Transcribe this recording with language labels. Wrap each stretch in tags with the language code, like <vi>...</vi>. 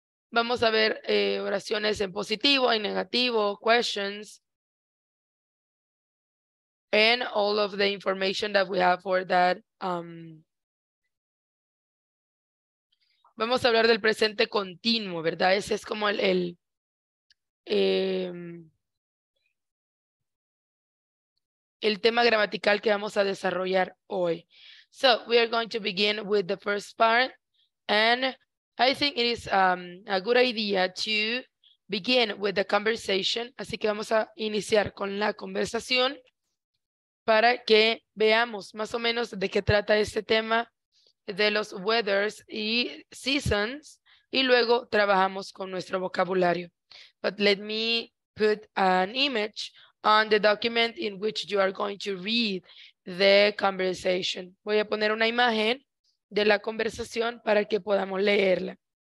<es>Vamos a ver oraciones en positivo, en negativo,</es> <en>questions, and all of the information that we have for that.</en> <es>Vamos a hablar del presente continuo, ¿verdad? Ese es como el tema gramatical que vamos a desarrollar hoy.</es> <en>So, we are going to begin with the first part, and I think it is a good idea to begin with the conversation.</en> <es>Así que vamos a iniciar con la conversación para que veamos más o menos de qué trata este tema de los weathers y seasons, y luego trabajamos con nuestro vocabulario.</es> <en>But let me put an image on the document in which you are going to read the conversation.</en> <es>Voy a poner una imagen de la conversación para que podamos leerla.</es>